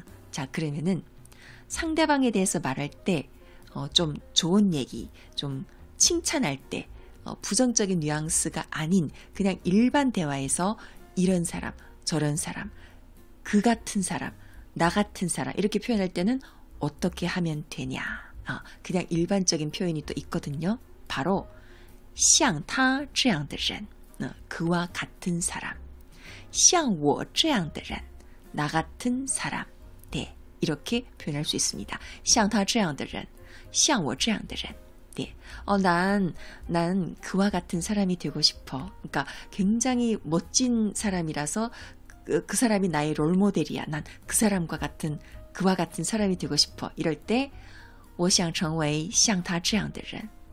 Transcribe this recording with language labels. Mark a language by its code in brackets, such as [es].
[ko] 자, 그러면은 상대방에 대해서 말할 때 좀 좋은 얘기, 좀 칭찬할 때 부정적인 뉘앙스가 아닌 그냥 일반 대화에서 이런 사람, 저런 사람, 그 같은 사람, 나 같은 사람 이렇게 표현할 때는 어떻게 하면 되냐? 그냥 일반적인 표현이 또 있거든요. 바로 [zh] 像他这样的人, [ko] 그와 같은 사람, [zh] 像我这样的人, [ko] 나 같은 사람, 네, 이렇게 표현할 수 있습니다. [zh] 像他这样的人, 像我这样的人. [ko] 네. 난 그와 같은 사람이 되고 싶어. 그러니까 굉장히 멋진 사람이라서 그 사람이 나의 롤모델이야. 난 그 사람과 같은 그와 같은 사람이 되고 싶어. 이럴 때 [zh] 我想成为像他这样的人.